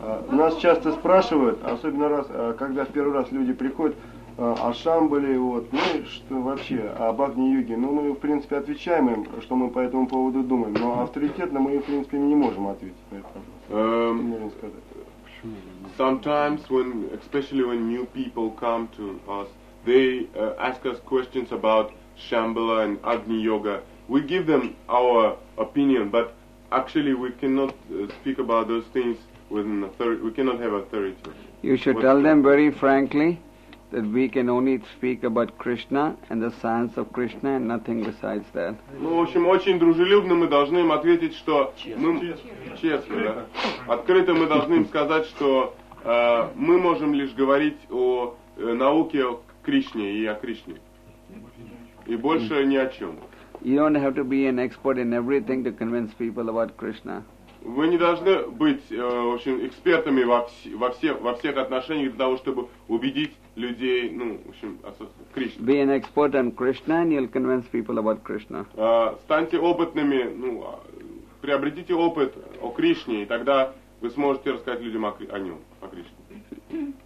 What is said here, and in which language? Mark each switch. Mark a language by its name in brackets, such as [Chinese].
[Russian] Нас часто спрашивают, особенно раз, когда в первый раз люди приходят, о Шамбале, вот, ну и что вообще, об Агни-Юге. Ну, мы, в принципе, отвечаем им, что мы по этому поводу думаем, но авторитетно мы, в принципе, не можем ответить на это. [English] Sometimes, when, especially when new people come to us, they ask us questions about Shambhala and Agni Yoga. We give them our opinion, but actually we cannot speak about those things with an authority. We cannot have authority. You should tell them very frankly that we can only speak about Krishna and the science of Krishna and nothing besides that. [Russian] Ну, в общем, очень дружелюбно мы должны им ответить, что мы честно, да. Открыто мы должны им сказать, что мы можем лишь говорить о науке о Кришне и о Кришне. И больше ни о чем. [English] You don't have to be an expert in everything to convince people about Krishna. [Russian] Вы не должны быть, в общем, экспертами во всех отношениях для того, чтобы убедить людей, ну, в общем, Кришне. [English] Be an expert on Krishna and you'll convince people about Krishna. [Russian] Станьте опытными, ну, приобретите опыт о Кришне, и тогда вы сможете рассказать людям о нем, о Кришне.